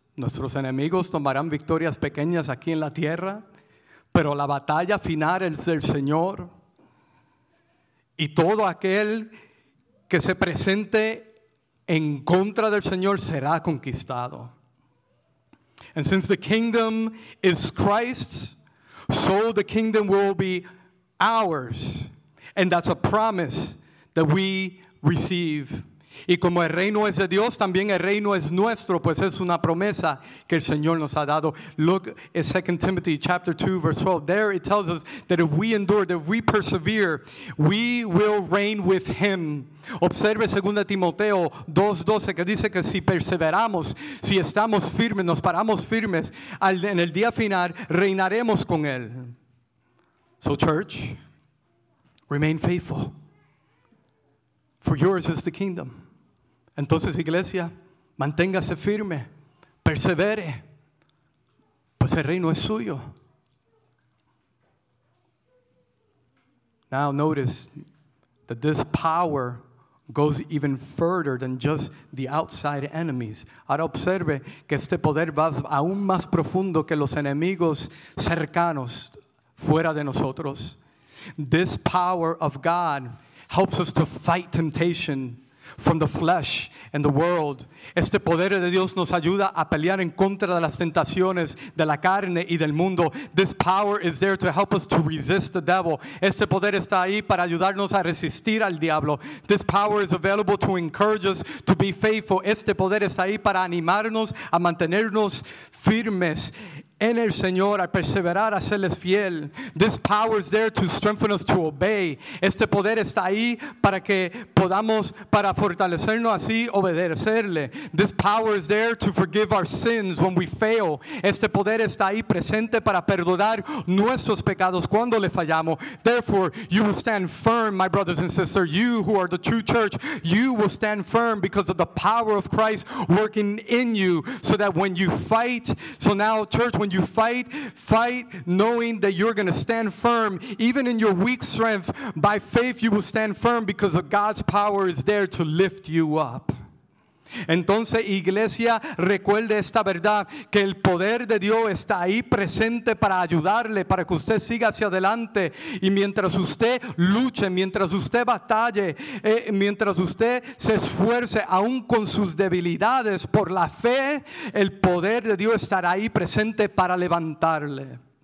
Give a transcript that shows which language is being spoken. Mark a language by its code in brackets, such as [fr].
[es] Nuestros enemigos tomarán victorias pequeñas aquí en la tierra. Pero la batalla final es del Señor. Y todo aquel que se presente en contra del Señor será conquistado. [en] And since the kingdom is Christ's, so the kingdom will be ours. And that's a promise that we receive. [es] Y como el reino es de Dios, también el reino es nuestro, pues es una promesa que el Señor nos ha dado. [en] Look at 2 Timothy chapter 2, verse 12. There it tells us that if we endure, that if we persevere, we will reign with him. [es] Observe 2 Timoteo 2:12, que dice que si perseveramos, si estamos firmes, nos paramos firmes, en el día final reinaremos con él. [en] So church, remain faithful. For yours is the kingdom. [es] Entonces, iglesia, manténgase firme, persevere, pues el reino es suyo. [en] Now notice that this power goes even further than just the outside enemies. [es] Ahora observe que este poder va aún más profundo que los enemigos cercanos fuera de nosotros. [en] This power of God helps us to fight temptation from the flesh and the world. [es] Este poder de Dios nos ayuda a pelear en contra de las tentaciones de la carne y del mundo. [en] This power is there to help us to resist the devil. [es] Este poder está ahí para ayudarnos a resistir al diablo. [en] This power is available to encourage us to be faithful. [es] Este poder está ahí para animarnos a mantenernos firmes en el Señor, a perseverar, a serles fiel. [en] This power is there to strengthen us to obey. [es] Este poder está ahí para que podamos, para fortalecernos así, obedecerle. [en] This power is there to forgive our sins when we fail. [es] Este poder está ahí presente para perdonar nuestros pecados cuando le fallamos. [en] Therefore, you will stand firm, my brothers and sisters, you who are the true church, you will stand firm because of the power of Christ working in you, so that when you fight, so now, church, when you fight, fight knowing that you're going to stand firm. Even in your weak strength, by faith you will stand firm because of God's power is there to lift you up. [es] Entonces, iglesia, recuerde esta verdad, que el poder de Dios está ahí presente para ayudarle, para que usted siga hacia adelante. Y mientras usted luche, mientras usted batalle, mientras usted se esfuerce, aún con sus debilidades, por la fe, el poder de Dios estará ahí presente para levantarle.